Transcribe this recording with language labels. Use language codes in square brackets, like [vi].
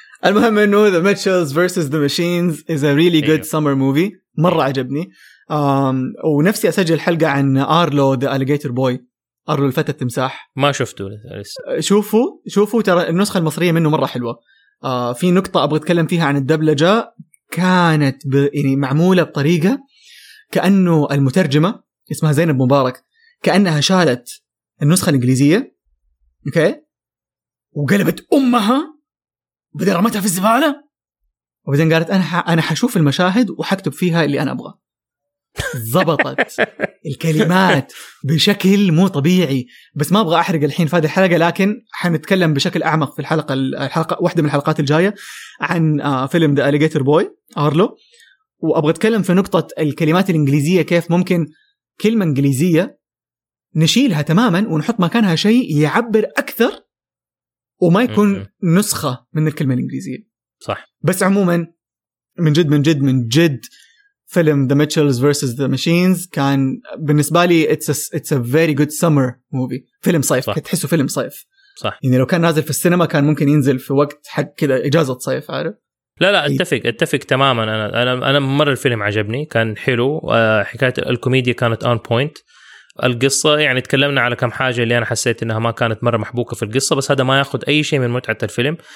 [ar] المهم إنه [en] the Mitchells versus the machines is a really good summer movie، [ar] مرة عجبني. ونفسي أسجل حلقة عن أرلو the alligator boy، أرلو الفتى التمساح. ما شفته لسه. شوفوا ترى النسخة المصرية منه مرة حلوة. في نقطة أبغى أتكلم فيها عن الدبلجة، كانت يعني معمولة بطريقة كأنه المترجمة اسمها زينب مبارك كأنها شالت النسخة الإنجليزية أوكي وقلبت أمها بدل رمتها في الزبالة، وبعدين قالت أنا حشوف المشاهد وحكتب فيها اللي أنا أبغى. ضبطت الكلمات بشكل مو طبيعي. بس ما أبغى أحرق الحين في هذه الحلقة، لكن حنتكلم بشكل أعمق في الحلقة واحدة من الحلقات الجاية عن فيلم The Alligator Boy أرلو، وأبغى أتكلم في نقطة الكلمات الإنجليزية، كيف ممكن كلمة إنجليزية نشيلها تماما ونحط مكانها شيء يعبر أكثر وما يكون نسخة من الكلمة الإنجليزية. صح. بس عموما من جد من جد من جد فيلم The Mitchells vs. [en] The Machines [ar] كان بالنسبة لي [en] it's a very good summer movie. [ar] فيلم صيف. صح. تحسه فيلم صيف. صح. يعني لو كان نازل في السينما كان ممكن ينزل في وقت حق كده إجازة صيف، عارف؟ لا اتفق تماما. أنا مرة الفيلم عجبني، كان حلو، حكاية الكوميديا كانت [en] on point، [ar] القصة يعني تكلمنا على كم حاجة اللي أنا حسيت إنها ما كانت مرة محبوكة في القصة، بس هذا ما يأخذ أي شيء من متعة الفيلم.